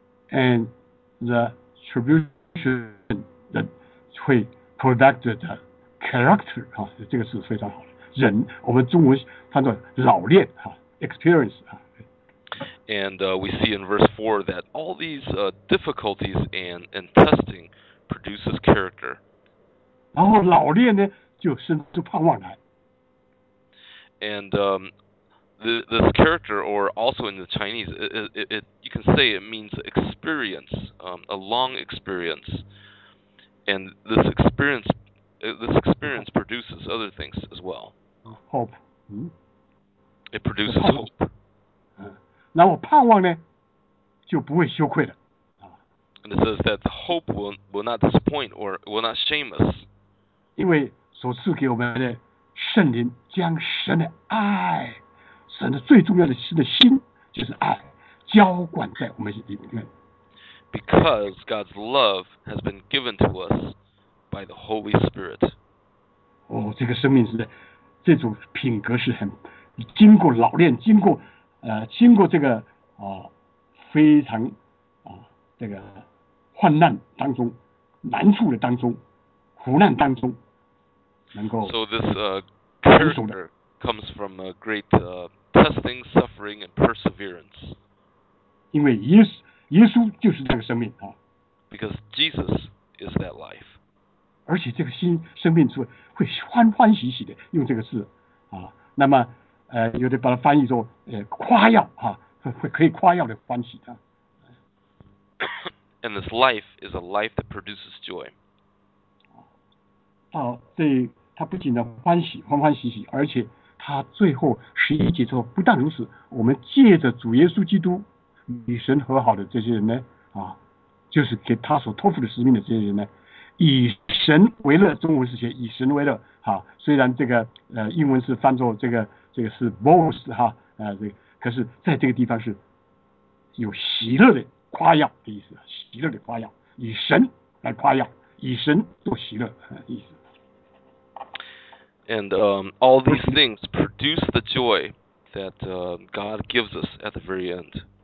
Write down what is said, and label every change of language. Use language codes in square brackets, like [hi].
[en] And the tribulation that 会 product the character 哈， [zh] 这个是非常好的。人，我们中文翻作老练哈 ，experience 哈。 [en] And we see in verse 4 that all these difficulties and testing produces character. [zh] 然后老练呢，就生出盼望来。 [en] And this character, or also in the Chinese, it you can say it means experience, a long experience, and this experience produces other things as well. Hope. It produces hope. [zh] 那我盼望呢，就不会羞愧的。 [en] And it says that hope will not disappoint or will not shame us. [zh] 因为所赐给我们的圣灵将神的爱。神的最重要的是的心就是爱浇灌在我们里面。 [en] Because God's love has been given to us by the Holy Spirit. [zh] 哦，这个生命是这种品格是很经过老练，经过经过这个非常这个患难当中、难处的当中、苦难当中，能够 [en] So this character comes from a great testing, suffering, and perseverance. [zh] 因为耶稣就是这个生命啊。 [en] Because Jesus is that life. [zh] 而且这个新生命是会欢欢喜喜的用这个字啊。那么有的把它翻译作夸耀啊，会可以夸耀的欢喜啊。 [en] And this life is a life that produces joy. [zh] 啊，对，它不仅的欢喜欢欢喜喜，而且他最后十一节说，不但如此，我们借着主耶稣基督与神和好的这些人呢，就是给他所托付的使命的这些人呢，以神为乐。中文是写以神为乐，虽然这个英文是翻作这个是 boast 哈，可是在这个地方是有喜乐的夸耀的意思，喜乐的夸耀，以神来夸耀，以神做喜乐意思。 [en] And all these things produce the joy that God gives us at the very end.